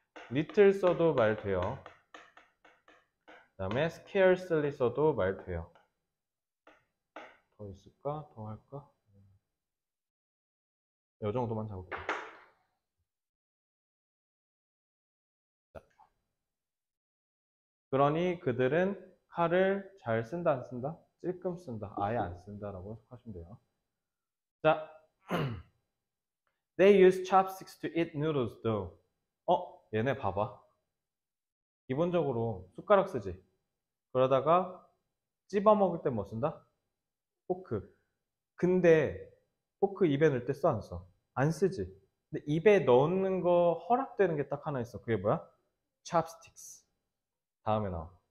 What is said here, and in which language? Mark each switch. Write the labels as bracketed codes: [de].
[ko] little 써도 말 돼요. 그 다음에 scarcely 써도 말 돼요. 더 있을까? 더 할까? 이 정도만 잡을게요. 그러니 그들은 칼을 잘 쓴다, 안 쓴다? 찔끔 쓴다, 아예 안 쓴다라고 해석하시면 돼요. [en] 자, They use chopsticks to eat noodles, though. [ko] 얘네 봐봐. 기본적으로 숟가락 쓰지. 그러다가 찝어 먹을 때뭐 쓴다? 포크. 근데 포크 입에 넣을 때 써, 안 써? 안 쓰지. 근데 입에 넣는 거 허락되는 게딱 하나 있어. 그게 뭐야? Chopsticks. 다음에 나와.